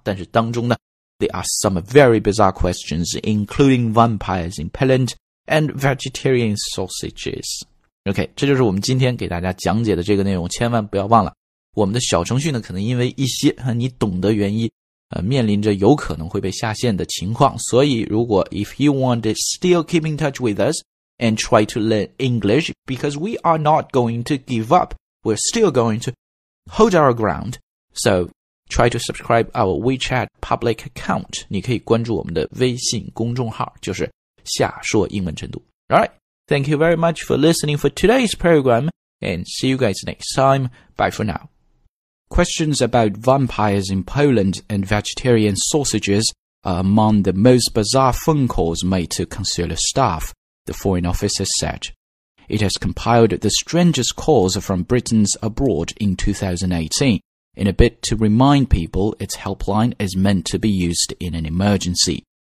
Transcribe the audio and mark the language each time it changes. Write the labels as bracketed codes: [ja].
[zh] 但是当中呢 [en] ，They ask some very bizarre questions, including vampires in Poland and vegetarian sausages. [zh] OK, 这就是我们今天给大家讲解的这个内容。千万不要忘了，我们的小程序呢，可能因为一些你懂的原因，面临着有可能会被下线的情况。所以，如果 [en] if you want to still keep in touch with us. And try to learn English because we are not going to give up. We're still going to hold our ground. So try to subscribe our WeChat public account. [zh] 你可以关注我们的微信公众号，就是下说英文程度。 [en] All right. Thank you very much for listening for today's program and see you guys next time. Bye for now. Questions about vampires in Poland and vegetarian sausages are among the most bizarre phone calls made to consular staff. The Foreign Office has said. It has compiled the strangest calls from Britons abroad in 2018 in a bid to remind people its helpline is meant to be used in an emergency.